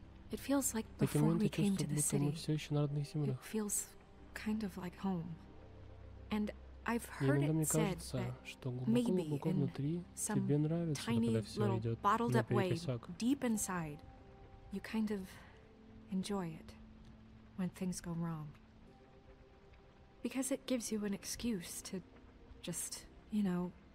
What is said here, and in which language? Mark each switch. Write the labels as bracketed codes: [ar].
[en] It feels like before we came to the city. [ru] Все еще на родных землях. [en] It feels kind of like home. And I've heard it said that [ru] что глубоко внутри тебе нравится, когда все [en] bottled up way deep inside, you kind of enjoy it. When things go wrong. Because it gives you an excuse to just, you know.